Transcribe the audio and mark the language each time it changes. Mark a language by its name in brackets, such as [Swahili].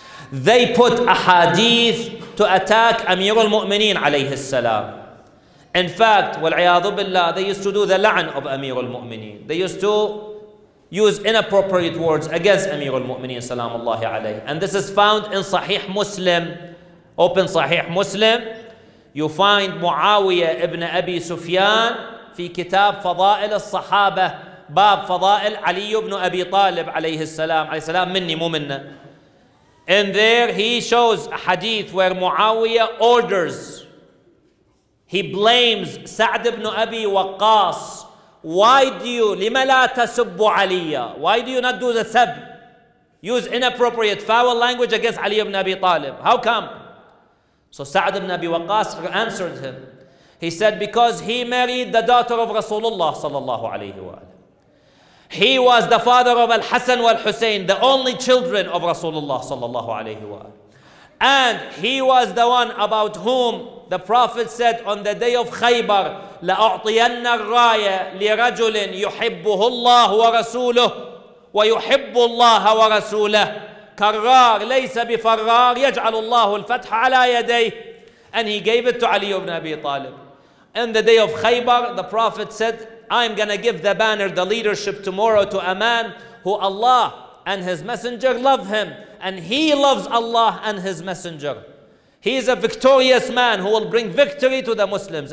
[English] They put ahadith to attack Amir al-Mu'mineen alayhi salam. In fact, wal'iyadu billah, they used to do the la'an of Amir al-Mu'mineen. They used to use inappropriate words against Amir al-Mu'mineen salamullahi alayhi. And this is found in Sahih Muslim. Open Sahih Muslim. You find Muawiyah ibn Abi Sufyan [Arabic] في كتاب فضائل الصحابة باب فضائل علي بن أبي طالب عليه السلام عليه السلام مني مو منه. [English] In there he shows a hadith where Muawiyah orders, he blames سعد بن أبي وقاص. Why do you [Arabic] لما لا تسب عليا? [English] Why do you not do the سب? Use inappropriate foul language against علي بن أبي طالب. How come? So سعد بن أبي وقاص answered him. He said, because he married the daughter of Rasulullah sallallahu alayhi wa alayhi. He was the father of Al-Hasan wal-Husayn, the only children of Rasulullah sallallahu alayhi wa alayhi. And he was the one about whom the Prophet said on the day of Khaybar, [Arabic] لَأُعْطِيَنَّ الرَّايَ لِرَجُلٍ يُحِبُّهُ اللَّهُ وَرَسُولُهُ وَيُحِبُّ اللَّهَ وَرَسُولَهُ كَرَّارٌ لَيْسَ بِفَرَّارٍ يَجْعَلُ اللَّهُ الْفَتْحَ عَلَى يَدَيْهِ. [English] And he gave it to Ali ibn Abi Talib. In the day of Khaybar, the Prophet said, I'm going to give the banner, the leadership tomorrow to a man who Allah and his messenger love him. And he loves Allah and his messenger. He is a victorious man who will bring victory to the Muslims.